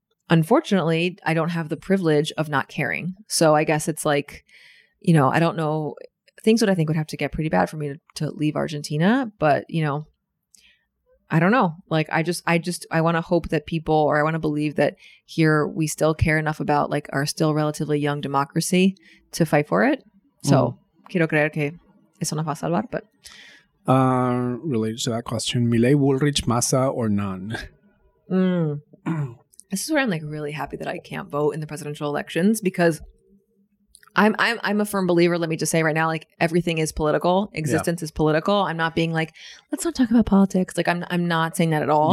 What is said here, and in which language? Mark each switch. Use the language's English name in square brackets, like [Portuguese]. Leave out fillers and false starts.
[English] Unfortunately, I don't have the privilege of not caring. So I guess it's like, you know, I don't know. Things would, I think, would have to get pretty bad for me to leave Argentina. But, you know, I don't know. Like, I want to hope that people, or I want to believe that here we still care enough about like our still relatively young democracy to fight for it. So [Spanish] quiero creer que eso nos va a salvar. [English] But related to that question, Milei, Bullrich, Massa, or none? This is where I'm like really happy that I can't vote in the presidential elections, because I'm a firm believer. Let me just say right now, like everything is political. Existence is political. I'm not being like, let's not talk about politics. Like I'm not saying that at all.